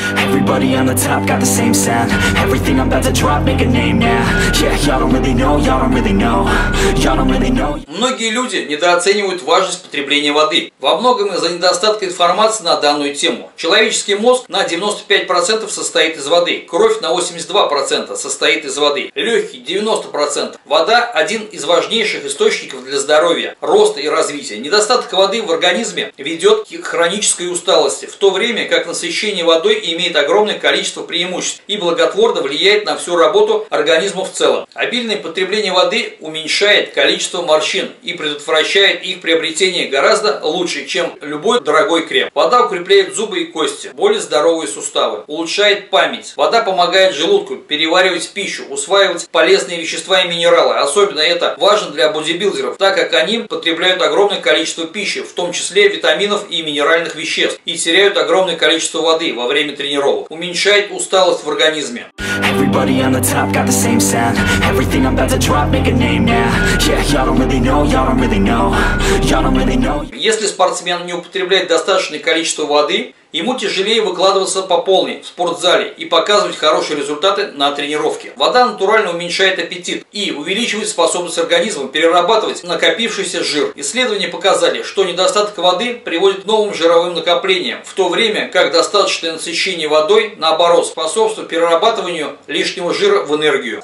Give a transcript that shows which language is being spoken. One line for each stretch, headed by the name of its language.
English: Everybody on the top got the same sound. Everything I'm about to drop, make a name now. Yeah, y'all don't really know, y'all don't really know. Y'all don't really know.
Russian: Многие люди недооценивают важность потребления воды. Во многом из-за недостатка информации на данную тему. Человеческий мозг на 95% состоит из воды. Кровь на 82% состоит из воды. Легкие 90%. Вода – один из важнейших источников для здоровья, роста и развития. Недостаток воды в организме ведет к хронической усталости, в то время как насыщение водой имеет огромное количество преимуществ и благотворно влияет на всю работу организма в целом. Обильное потребление воды уменьшает количество морщин и предотвращает их приобретение гораздо лучше, чем любой дорогой крем. Вода укрепляет зубы и кости, более здоровые суставы, улучшает память. Вода помогает желудку переваривать пищу, усваивать полезные вещества и минералы. Особенно это важно для бодибилдеров, так как они потребляют огромное количество пищи, в том числе витаминов и минеральных веществ, и теряют огромное количество воды во время тренировок. Уменьшает усталость в организме.
English: Everybody on the top got the same sound. Everything I'm about to drop, make a name now. Yeah, y'all don't really know, y'all don't really know. Y'all don't really know.
Russian: Если спортсмен не употребляет достаточное количество воды, ему тяжелее выкладываться по полной в спортзале и показывать хорошие результаты на тренировке. Вода натурально уменьшает аппетит и увеличивает способность организма перерабатывать накопившийся жир. Исследования показали, что недостаток воды приводит к новым жировым накоплениям, в то время как достаточное насыщение водой, наоборот, способствует перерабатыванию лишнего жира в энергию.